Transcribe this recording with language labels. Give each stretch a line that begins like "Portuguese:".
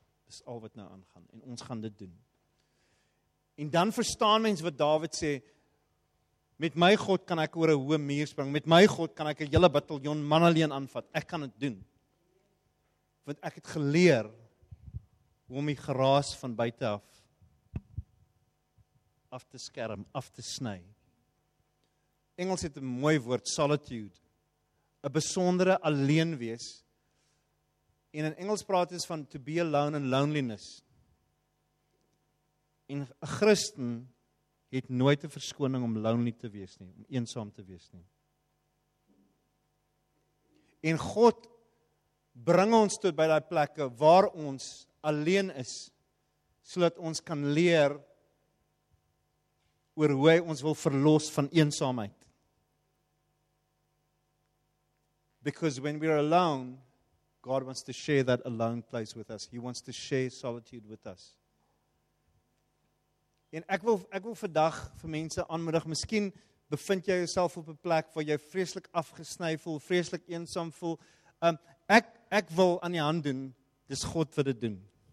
Afrikaans: Dis al wat nou aangaan en ons gaan dit doen. En dan verstaan mense wat Dawid sê, met my God kan ek oor 'n hoë muur spring. Met my God kan ek 'n hele bataljon man alleen aanvat. Ek kan dit doen. Want ek het geleer hoe om die geraas van buite af te skerm, af te sny. Engels het 'n mooi woord, solitude. 'n Besondere alleen wees. En in Engels praat ons van to be alone in loneliness. En 'n Christen het nooit 'n verskoning om lonely te wees nie, om eensaam te wees nie. En God bring ons tot by daai plekke waar ons alleen is, sodat ons kan leer oor hoe hy ons wil verlos van eensaamheid.
English: Because when we are alone, God wants to share that alone place with us. He wants to share solitude with us.
Afrikaans: En ek wil vandag vir mense aanmoedig, miskien bevind jy jouself op 'n plek waar jy vreeslik afgesny voel, vreeslik eensaam voel. Ek wil aan die hand doen, dis God wat dit doen.